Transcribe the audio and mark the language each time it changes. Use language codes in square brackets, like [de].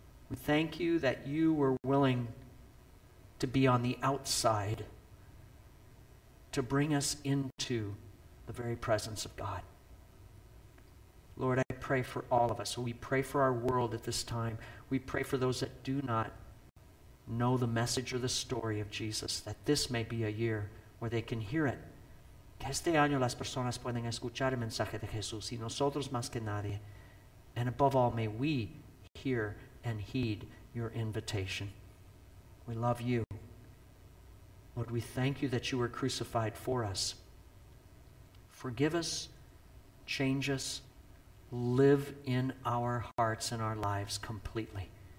[en] We thank you that you were willing to be on the outside to bring us into the very presence of God. Lord, I pray for all of us. We pray for our world at this time. We pray for those that do not know the message or the story of Jesus, that this may be a year where they can hear it. [es] Que este año las personas pueden escuchar el mensaje de Jesús y nosotros más que nadie. [en] And above all, may we hear and heed your invitation. We love you. Lord, we thank you that you were crucified for us. Forgive us, change us, live in our hearts and our lives completely.